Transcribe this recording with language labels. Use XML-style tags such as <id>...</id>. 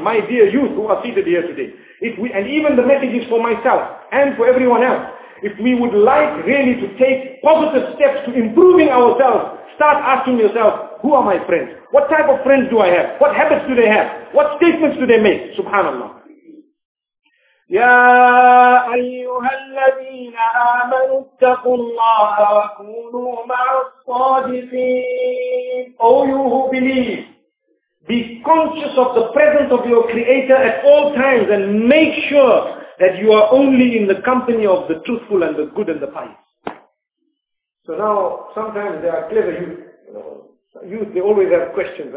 <en>My dear youth who are seated here today, if we, and even the message is for myself and for everyone else, if we would like really to take positive steps to improving ourselves, start asking yourself, who are my friends? What type of friends do I have? What habits do they have? What statements do they make?</en> <ar>Subhanallah. يا أيها الذين آمنوا اتقوا الله وكونوا مع الصادقين.</ar> <en>O you who believe, be conscious of the presence of your Creator at all times and make sure that you are only in the company of the truthful and the good and the pious. So now, sometimes there are clever youth, they always have questions.</en>